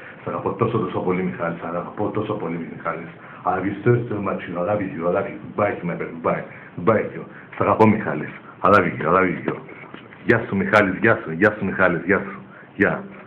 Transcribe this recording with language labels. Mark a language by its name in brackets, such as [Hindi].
[Greek] Σ' αγαπώ τόσο τόσο πολύ Μιχάλης, σ' αγαπώ τόσο πολύ Μιχάλης. [English] I love you so much, I love you, goodbye, my friend, goodbye you. [Greek] Σ' αγαπώ, Μιχάλης, [English] I love you. [Greek] Γεια σου, Μιχάλης, γεια σου, Μιχάλης, γεια σου, γεια.